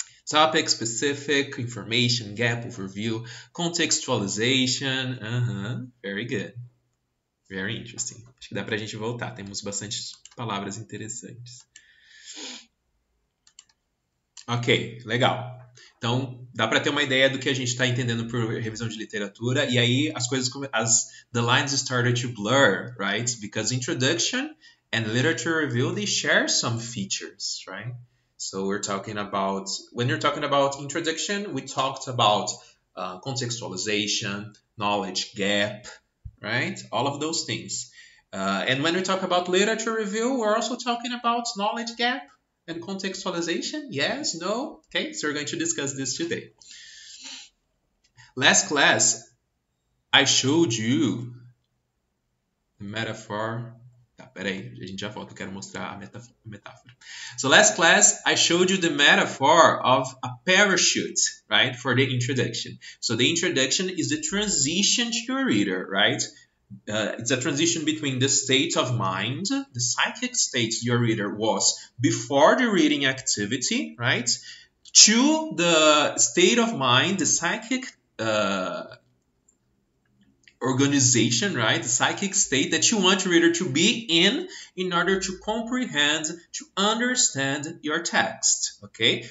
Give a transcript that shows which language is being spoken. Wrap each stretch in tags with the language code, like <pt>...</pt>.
<en>Topic specific, information gap overview, contextualization, very good, very interesting.</en> <pt>Acho que dá para a gente voltar, temos bastante palavras interessantes. Ok, legal. Então, dá para ter uma ideia do que a gente está entendendo por revisão de literatura, e aí as coisas começam.</pt> <en>The lines started to blur, right? Because introduction and literature review, they share some features, right? So, we're talking about. When you're talking about introduction, we talked about contextualization, knowledge gap, right? All of those things. And when we talk about literature review, we're also talking about knowledge gap. And contextualization? Yes, no? Okay, so we're going to discuss this today. Last class, I showed you the metaphor.</en> <pt>Tá, peraí, a gente já volta, eu quero mostrar a metáfora.</pt> <en>So last class, I showed you the metaphor of a parachute, right? For the introduction. So the introduction is the transition to your reader, right? It's a transition between the state of mind, the psychic state your reader was before the reading activity, right, to the state of mind, the psychic organization, right, the psychic state that you want your reader to be in order to comprehend, to understand your text. Okay?</en>